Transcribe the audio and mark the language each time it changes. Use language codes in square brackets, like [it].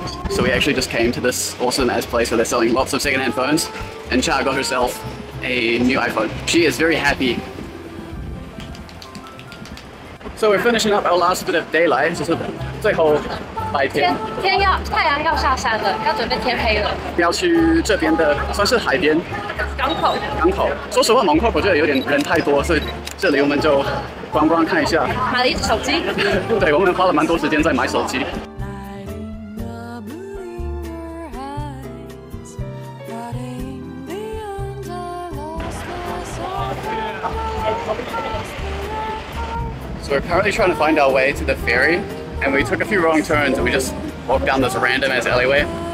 [en] So we actually just came to this awesome ass place where they're selling lots of secondhand phones, and Cha got herself a new iPhone. She is very happy. So we're finishing up our last bit of daylight. This is the last light. [zh] 太阳要下山了，要准备天黑了。要去这边的，算是海边。港口。港口。说实话，Mong Kok 我觉得有点人太多，所以这里我们就。观光看一下。买了一只手机。对，我们花了蛮多时间在买手机。 [en] So we're currently trying to find our way to the ferry, and we took a few wrong turns, and we just walked down this random ass alleyway.